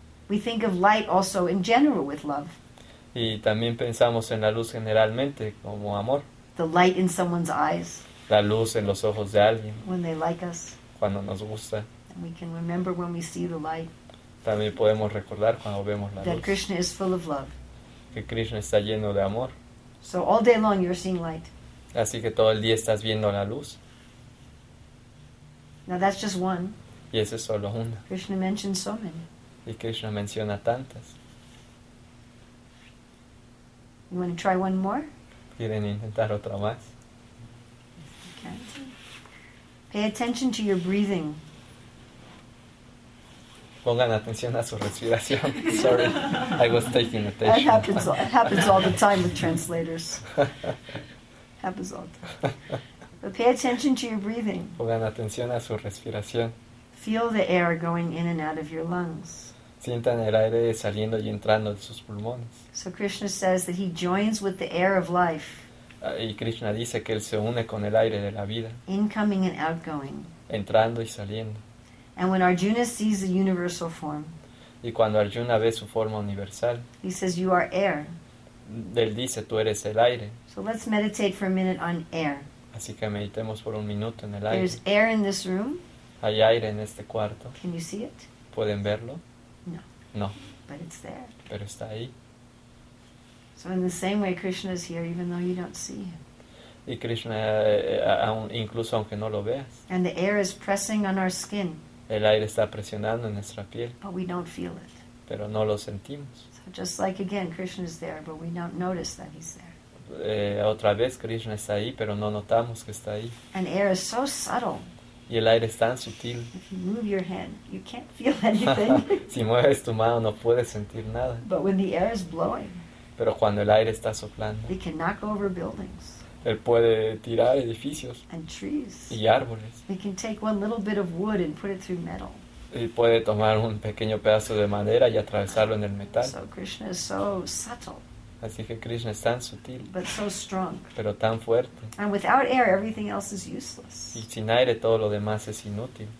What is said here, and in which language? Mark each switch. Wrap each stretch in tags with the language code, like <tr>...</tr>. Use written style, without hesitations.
<en>We think of light also in general with love.</en> <es>Y también pensamos en la luz generalmente como amor.</es> <en>The light in someone's eyes.</en> <es>La luz en los ojos de alguien.</es> <en>When they like us.</en> <es>Cuando nos gusta.</es> <en>And we can remember when we see the light.</en> <es>También podemos recordar cuando vemos la</es> <en>that</en> <es>luz.</es> <en>Krishna is full of love.</en> <es>Que Krishna está lleno de amor.</es> <en>So all day long you're seeing light.</en> <es>Así que todo el día estás viendo la luz.</es> <en>Now that's just one.</en> <es>Y ese es solo una.</es> <en>Krishna mentions so many.</en> <es>Y Krishna menciona tantas.</es> <en>You want to try one more?</en> <es>¿Quieren intentar otra más?</es> <en>Pay attention to your breathing.</en> <es>Pongan atención a su respiración.</es> <en>Sorry, I was taking attention. It happens all the time with translators. Happens all the time. But pay attention to your breathing.</en> <es>Pongan atención a su respiración.</es> <en>Feel the air going in and out of your lungs.</en> <es>Sientan el aire saliendo y entrando de sus pulmones.</es> <en>So Krishna says that he joins with the air of life.</en> <es>Y Krishna dice que él se une con el aire de la vida.</es> <en>Incoming and outgoing.</en> <es>Entrando y saliendo.</es> <en>And when Arjuna sees the universal form.</en> <es>Y cuando Arjuna ve su forma universal.</es> <en>He says, you are air.</en> <es>Él dice, tú eres el aire.</es> <en>So let's meditate for a minute on air.</en> <es>Así que meditemos por un minuto en el aire.</es> <en>There's air in this room.</en> <es>Hay aire en este cuarto.</es> <en>Can you see it?</en> <es>¿Pueden verlo?</es> <en>No. But it's there.</en> <es>Pero está ahí.</es> <en>So in the same way Krishna is here even though you don't see him.</en> <es>Y Krishna incluso aunque no lo veas.</es> <en>And the air is pressing on our skin.</en> <es>El aire está presionando en nuestra piel.</es> <en>But we don't feel it.</en> <es>Pero no lo sentimos.</es> <en>So just like again Krishna is there but we don't notice that he's there.</en> <es>Otra vez Krishna está ahí pero no notamos que está ahí.</es> <en>And air is so subtle.</en> <es>Y el aire es tan sutil.</es> <en>If you move your hand, you can't feel anything.</en> <es>Si mueves tu mano, no puedes sentir nada.</es> <en>But when the air is blowing,</en> <es>pero cuando el aire está soplando,</es> <en>it can knock over buildings.</en> <es>Él puede tirar edificios</es> <en>and trees.</en> <es>Y árboles.</es> <en>It can take one little bit of wood and put it through metal.</en> <es>Y puede tomar un pequeño pedazo de madera y atravesarlo en el metal.</es> <en>So Krishna is so subtle.</en> <es>Así que Krishna es tan sutil,</es> <en>but so strong.</en> <es>Pero tan fuerte.</es> <en>And without air, everything else is useless. Y sin aire, todo lo demás es inútil.</en>